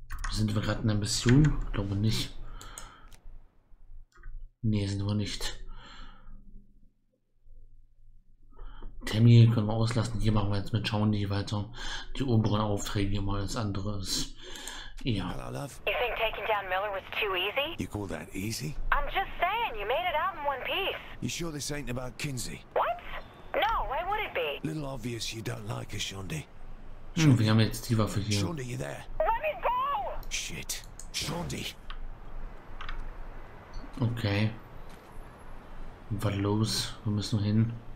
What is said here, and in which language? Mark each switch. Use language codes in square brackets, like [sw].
[de] Sind wir gerade in der Mission? Glaube nicht. Nee, sind wir nicht. Tammy können wir auslassen. Hier machen wir jetzt mit Shaundi weiter. Die oberen Aufträge mal als anderes. Ja. [en] Hello, love. You think taking down Miller was too easy? You call that easy? I'm just saying, you made it out in one piece. You sure this ain't about Kinsey? What? No, why would it be? Little obvious you don't like her, Shondi. [de] Wir haben jetzt die Waffe hier. [en] Shondi, you there? Let me go! Shit. Shondi. [de] Okay. Was los? Wir müssen hin.